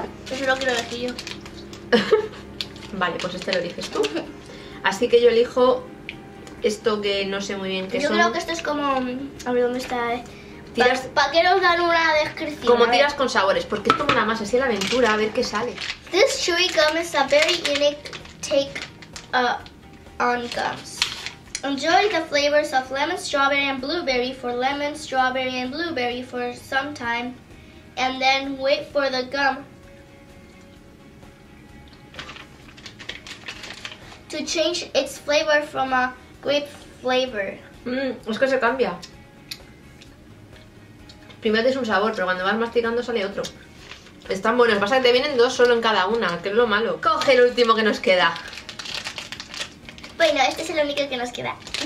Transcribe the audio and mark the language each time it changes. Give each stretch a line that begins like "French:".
Spanish: Eso lo quiero decir yo. Vale, pues este lo eliges tú. Así que yo elijo esto que no sé muy bien qué yo son. Yo creo que esto es como... A ver, ¿dónde está? ¿Tiras? ¿Para qué nos dan una descripción? Como tiras con sabores, porque es como nada más así la aventura, a ver qué sale.
English: This chewy gum is a very unique take on gums. Enjoy the flavors of lemon, strawberry and blueberry for lemon, strawberry and blueberry for some time. And then wait for the gum to change its flavor from a grape flavor.
Spanish: Es que se cambia. Primero tienes un sabor, pero cuando vas masticando sale otro. Están buenos, pasa que te vienen dos solo en cada una, que es lo malo. Coge el último que nos queda. Bueno, este es el único que nos queda.